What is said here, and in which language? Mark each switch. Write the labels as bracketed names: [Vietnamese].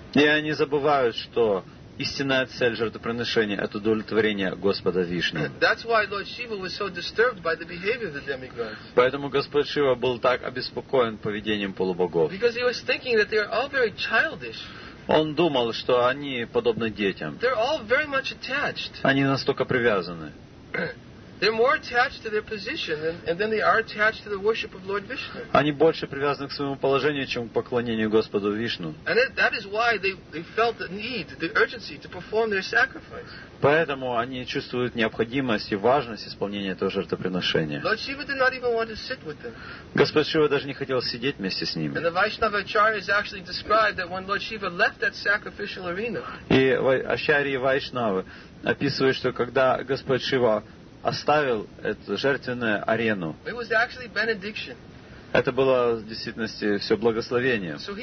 [Russian] И они забывают, что истинная цель жертвоприношения — это удовлетворение Господа Вишну. [English] That's why Lord Shiva was so disturbed by the behavior of the demigods. [Russian] Поэтому Господь Шива был так обеспокоен поведением полубогов. [English] Because he was thinking that they are all very childish. [Russian] Он думал, что они подобны детям. [English] They're all very much attached. [Russian] Они настолько привязаны. [English] They're more attached to their position than they are attached to the worship of Lord Vishnu. [Russian] Они больше привязаны к своему положению, чем к поклонению Господу Вишну. [English] And that is why they felt the need, the urgency to perform their sacrifice. [Russian] Поэтому они чувствуют необходимость и важность исполнения этого жертвоприношения. [English] Lord Shiva did not even want to sit with them. [Russian] Господь Шива даже не хотел сидеть вместе с ними. [English] And the Vaishnava Acharyas actually described that when Lord Shiva left that sacrificial arena. [Russian] И Ачарьи Вайшнавы описывают, что когда Господь Шива оставил эту жертвенную арену, это было в действительности все благословение.